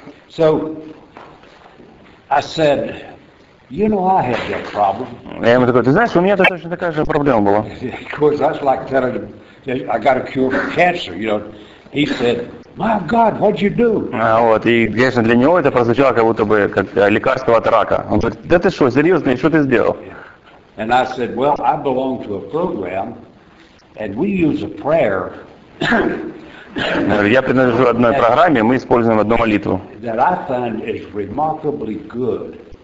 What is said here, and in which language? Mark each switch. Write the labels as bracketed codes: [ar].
[en] So, I said, you know, I had that problem. [ru] Я ему такой, ты знаешь, у меня точно такая же проблема была. [en] Because that's like telling him, I got a cure for cancer, you know. He said, my God, what'd you do? [ru] А вот, и, конечно, для него это прозвучало как будто бы как лекарство от рака. Он говорит, да ты что, серьезно, что ты сделал? [en] And I said, well, I belong to a program, and we use a prayer. [ru] Я принадлежу одной программе, мы используем одну молитву. [en] That I find is remarkably good.